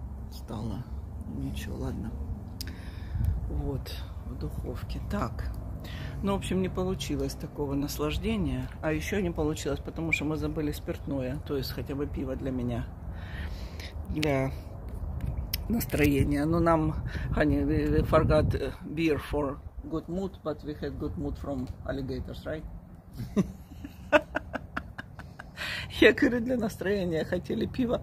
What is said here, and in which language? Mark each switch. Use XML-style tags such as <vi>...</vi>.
<ru>Стала. Ничего, ладно. Вот, в духовке. Так. Ну, в общем, не получилось такого наслаждения. А еще не получилось, потому что мы забыли спиртное. То есть, хотя бы пиво для меня. Для настроения. Ну, нам,</ru> <en>honey, we forgot beer for good mood, but we had good mood from alligators, right?</en> <ru>Я говорю, для настроения хотели пиво.</ru>